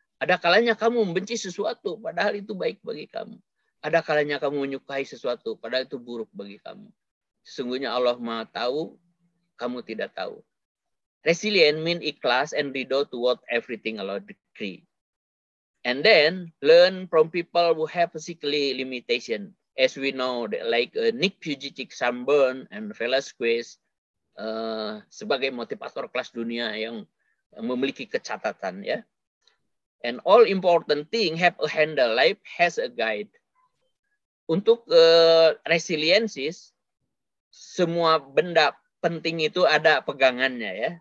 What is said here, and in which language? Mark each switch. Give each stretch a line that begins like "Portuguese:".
Indonesian: Ada kalanya kamu membenci sesuatu, padahal itu baik bagi kamu. Ada kalanya kamu menyukai sesuatu, padahal itu buruk bagi kamu. Sesungguhnya Allah Maha tahu, kamu tidak tahu.
English: Resilient mean ikhlas and ridho to what everything Allah decree. And then learn from people who have physically limitation. As we know, like
Indonesian: Nick Pugicic, Sam Burn, and Velasquez, sebagai motivator kelas dunia yang memiliki kecatatan, ya.
English: And all important thing have a handle. Life has a guide.
Indonesian: Untuk resiliensis, semua benda penting itu ada pegangannya, ya.